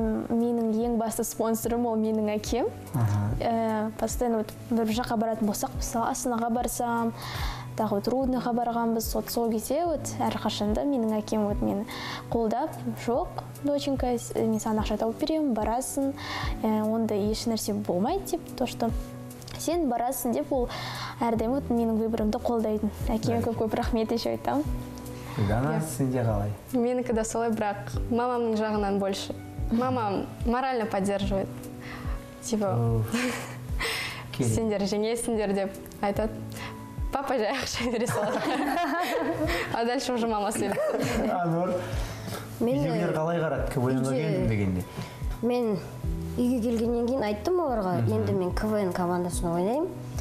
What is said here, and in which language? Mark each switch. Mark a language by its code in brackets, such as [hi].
[kk] Менің ең басты спонсорым ол менің әкем. Постоянно бір жаққа баратын болсақ, мысалы Астанаға барсам, тағы Рудныйға барғанбыз, сол кезде әрқашанда менің әкем мені қолдап, жоқ, доченька, мен саған ақша тауып беремін, барасың, онда еш нәрсе болмайды деп, [ru] то что [kk] сен барасың деп, ол әрдайым менің выборымды қолдайды. Әкеме көп-көп рахмет деп айтамын. Гүлдана, сенде қалай? Менікі де солай, бірақ мамамның жағынан больше. [ru] Мамам морально поддерживает. [kk] Типа, сендер жеңесіңдер деп айтады. Папа жай ақша бере салады. [ru] А дальше уже мама [kk] сөйлейді. Анор, үйдегілер қалай қарады? КВН-ға келдің дегенде? Мен үйге келгеннен кейін айттым оларға. Енді мен КВН командасын ойнаймын.